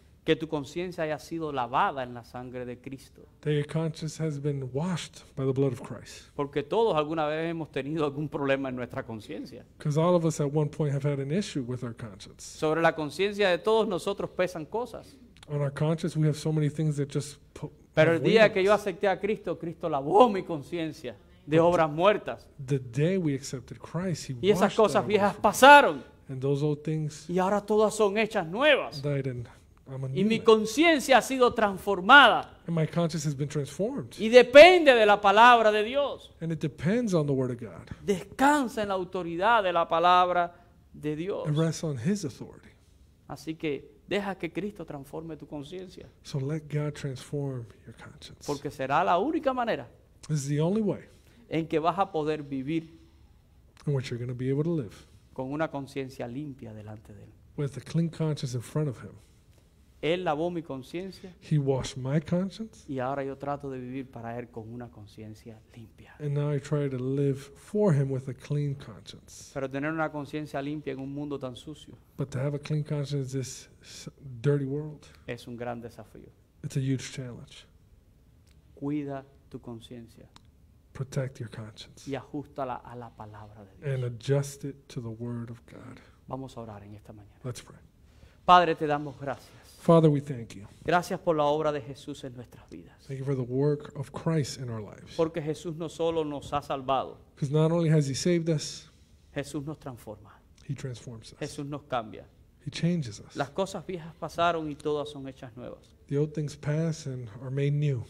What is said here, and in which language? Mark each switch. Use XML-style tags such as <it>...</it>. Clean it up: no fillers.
<es>Que tu conciencia haya sido lavada en la sangre de Cristo.</es> <en>That your conscience has been washed by the blood of Christ.</en> <es>Porque todos alguna vez hemos tenido algún problema en nuestra conciencia.</es> <en>Because all of us at one point have had an issue with our conscience.</en> <es>Sobre la conciencia de todos nosotros pesan cosas.</es> <en>On our conscience we have so many things that just put.</en> <es>Pero el día que yo acepté a Cristo, Cristo lavó mi conciencia de obras muertas.</es> <en>The day we accepted Christ, he washed</en> <es>that. Y esas cosas viejas pasaron.</es> <en>And those old things.</en> <es>Y ahora todas son hechas nuevas.</es> <en>Died in.</en> <es>Y mi conciencia ha sido transformada.</es> <en>And my conscience has been transformed.</en> <es>Y depende de la palabra de Dios.</es> <en>And it depends on the word of God.</en> <es>Descansa en la autoridad de la palabra de Dios.</es> <en>It rests on his authority.</en> <es>Así que deja que Cristo transforme tu conciencia.</es> <en>So let God transform your conscience.</en> <es>Porque será la única manera.</es> <en>This is the only way.</en> <es>En que vas a poder vivir.</es> <en>In which you're going to be able to live.</en> <es>Con una conciencia limpia delante de él.</es> <en>With a clean conscience in front of him.</en> <es>Él lavó mi conciencia.</es> <en>He washed my conscience.</en> <es>Y ahora yo trato de vivir para él con una conciencia limpia.</es> <en>And now I try to live for him with a clean conscience.</en> <es>Pero tener una conciencia limpia en un mundo tan sucio.</es> <en>But to have a clean conscience in this dirty world.</en> <es>Es un gran desafío.</es> <en>It's a huge challenge.</en> <es>Cuida tu conciencia.</es> <en>Protect your conscience.</en> <es>Y ajustala a la palabra de Dios.</es> <en>And adjust it to the word of God.</en> <es>Vamos a orar en esta mañana.</es> <en>Let's pray.</en> <es>Padre, te damos gracias.</es> <en>Father, we thank you.</en> <es>Gracias por la obra de Jesús en nuestras vidas.</es> <en>Thank you for the work of Christ in our lives.</en> <es>Porque Jesús no solo nos ha salvado.</es> <en>Because not only has he saved us.</en> <es>Jesús nos transforma.</es> <en>He transforms us.</en> <es>Jesús nos cambia.</es> <en>He changes us.</en> <es>Las cosas viejas pasaron y todas son hechas nuevas.</es> <en>The old things pass and are made new.</en>